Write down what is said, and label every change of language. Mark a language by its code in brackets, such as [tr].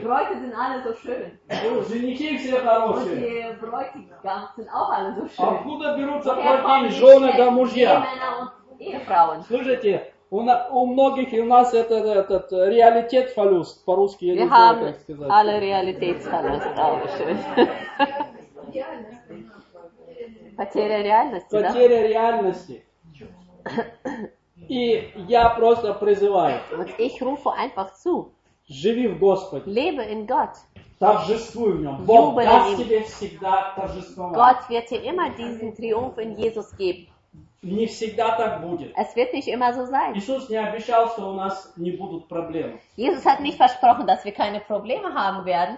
[de] Die Bräute sind alle so schön. [ru] Женихи все хорошие. [de] Und die Bräute sind auch alle so schön. [ru] Откуда берутся плохие жены да мужья? Слышите, у многих у нас этот реалитет фалюс, по-русски я не знаю, как сказать. [de] Alle Realität [ru] фалюс, да, очень. Потеря реальности, да? Потеря реальности. И я просто призываю. Вот [de] ich rufe einfach zu. [ru] Живи в Господе. [de] Lebe in Gott. [ru] Торжествуй в нем. Бог даст тебе всегда торжествовать. [de] Gott wird dir immer diesen Triumph in Jesus geben. [ru] Не всегда так будет. [de] Es wird nicht immer so sein. [ru] Иисус не обещал, что у нас не будут проблемы. [de] Jesus hat nicht versprochen, dass wir keine Probleme haben werden.